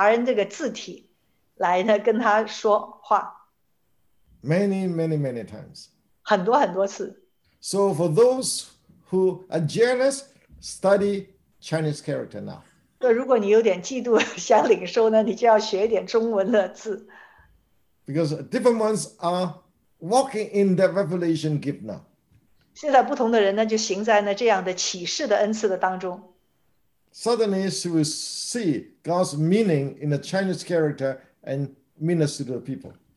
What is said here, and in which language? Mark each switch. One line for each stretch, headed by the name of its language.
Chinese: 是因为呢，神透过呢华人这个字体来呢跟他说话。
English: Many, many, many times.
Chinese: 很多很多次。
English: So for those who are jealous, study Chinese character now.
Chinese: 对，如果你有点嫉妒想领受呢，你就要学一点中文的字。
English: Because different ones are walking in the revelation gift now.
Chinese: 现在不同的人呢，就行在呢这样的启示的恩赐的当中。
English: Suddenly, she will see God's meaning in the Chinese character and minister to the people.